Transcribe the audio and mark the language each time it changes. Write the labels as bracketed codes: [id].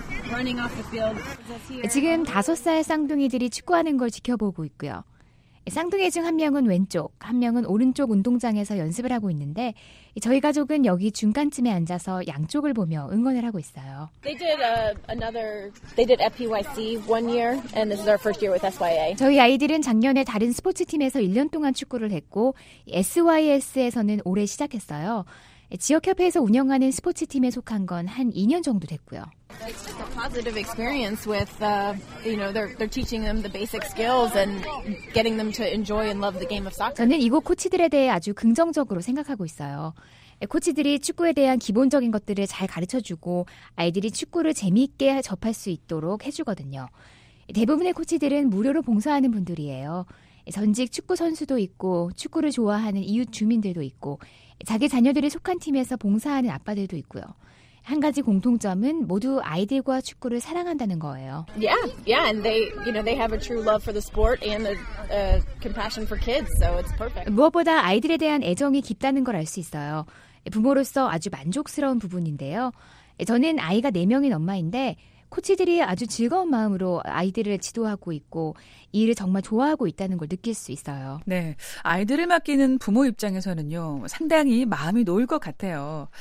[en] Running off the field. [ko] 지금 다섯 살 쌍둥이들이 축구하는 걸 지켜보고 있고요. 쌍둥이 중 한 명은 왼쪽, 한 명은 오른쪽 운동장에서 연습을 하고 있는데 저희 가족은 여기 중간쯤에 앉아서 양쪽을 보며 응원을 하고 있어요. [en] They did another. They did FPYC one year, and this is our first year with SYA. [ko] 저희 아이들은 작년에 다른 스포츠 팀에서 1년 동안 축구를 했고 SYS에서는 올해 시작했어요. 지역 협회에서 운영하는 스포츠 팀에 속한 건 한 2년 정도 됐고요. [en] It's a positive experience with, you know, they're teaching them the basic skills and getting them to enjoy and love the game of soccer. [ko] 저는 이곳 코치들에 대해 아주 긍정적으로 생각하고 있어요. 코치들이 축구에 대한 기본적인 것들을 잘 가르쳐주고 아이들이 축구를 재미있게 접할 수 있도록 해주거든요. 대부분의 코치들은 무료로 봉사하는 분들이에요. 전직 축구 선수도 있고 축구를 좋아하는 이웃 주민들도 있고 자기 자녀들이 속한 팀에서 봉사하는 아빠들도 있고요. 한 가지 공통점은 모두 아이들과 축구를 사랑한다는 거예요. [en] Yeah, yeah, and they, you know, they have a true love for the sport and a compassion for kids, so it's perfect. [ko] 무엇보다 아이들에 대한 애정이 깊다는 걸 알 수 있어요. 부모로서 아주 만족스러운 부분인데요. 저는 아이가 4명인 엄마인데 코치들이 아주 즐거운 마음으로 아이들을 지도하고 있고 이 일을 정말 좋아하고 있다는 걸 느낄 수 있어요. 네, 아이들을 맡기는 부모 입장에서는요. 상당히 마음이 놓일 것 같아요.